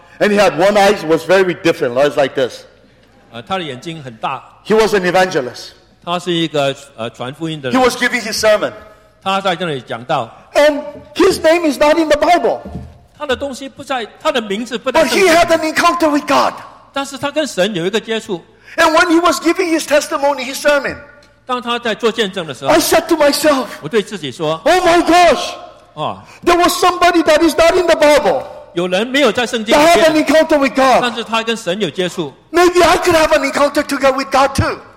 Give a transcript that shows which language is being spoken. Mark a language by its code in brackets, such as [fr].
[en] And he had one eye, it was very different, eyes like this. [zh] 他的眼睛很大。 [en] He was an evangelist. [zh] 他是一个传福音的人。 [en] He was giving his sermon. [zh] 他在那里讲道。 [en] And his name is not in the Bible. [zh] 他的东西不在，他的名字不在。 [en] But he had an encounter with God. [zh] 但是他跟神有一个接触。 [en] And when he was giving his testimony, his sermon. [zh] 当他在做见证的时候。 [en] I said to myself. [zh] 我对自己说。 [en] Oh my gosh. There was somebody that is not in the Bible. [zh] 有人没有在圣经里面。 [en] They had an encounter with God. [zh] 但是他跟神有接触。 [en] Maybe I could have an encounter together with God too.